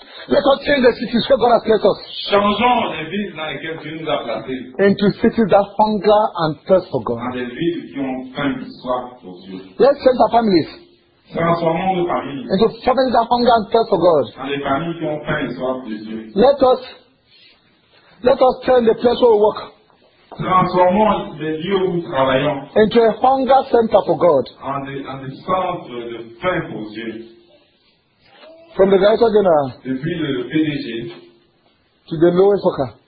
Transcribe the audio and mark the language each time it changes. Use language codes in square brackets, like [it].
[en] Let us change the cities where God has placed us. [fr] Changeons les villes dans lesquelles Dieu nous a placés. [en] Into cities that hunger and thirst for God. [fr] Dans des villes qui ont faim et soif pour Dieu. [en] Let's change our families. [fr] Transformons nos familles. [en] Into families that hunger and thirst for God. [fr] Dans des familles qui ont faim et soif de Dieu. [en] Let us turn the place where we work. [fr] Transformons les lieux où nous travaillons. [en] Into a hunger center for God. And the [fr] centre de faim pour Dieu. [en] From the director general, [fr] depuis le PDG, [en] to the lowest worker,